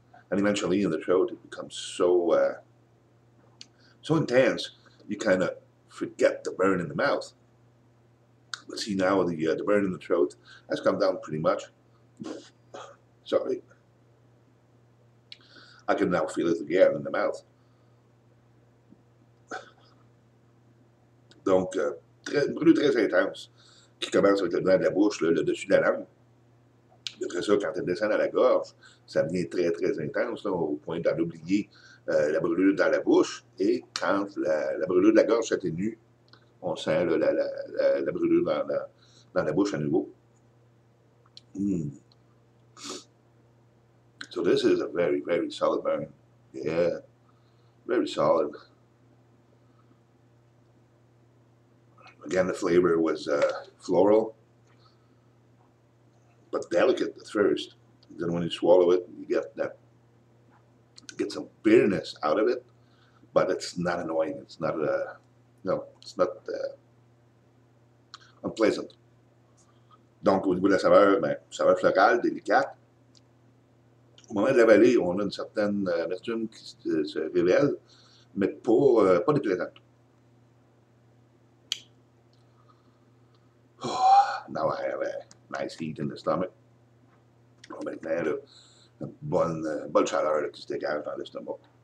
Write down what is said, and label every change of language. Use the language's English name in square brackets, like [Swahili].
[English] And eventually in the throat, it becomes so intense, you kind of forget the burn in the mouth. But see now, the burn in the throat has come down pretty much. Sorry. I can now feel it again in the mouth. [French] Donc, très intense, qui commence avec le dedans de la bouche, le dessus de la langue. Après ça, quand elle descend dans la gorge, ça devient très, très intense, là, au point d'en oublier la brûlure dans la bouche. Et quand la brûlure de la gorge s'atténue, on sent là, la brûlure dans la bouche à nouveau. [English] So this is a very, very solid burn. Yeah, very solid. Again, the flavor was floral, but delicate at first. Then when you swallow it, you get some bitterness out of it, but it's not annoying. It's not unpleasant. [French] Donc, au niveau de la saveur, saveur florale, délicate. Au moment de l'avaler, on a une certaine amertume qui se révèle, mais pas déplaisante. [English] Oh, now I have a nice heat in the stomach. [French] Oh, maintenant, là, une bonne chaleur là, qui se dégage dans l'estomac.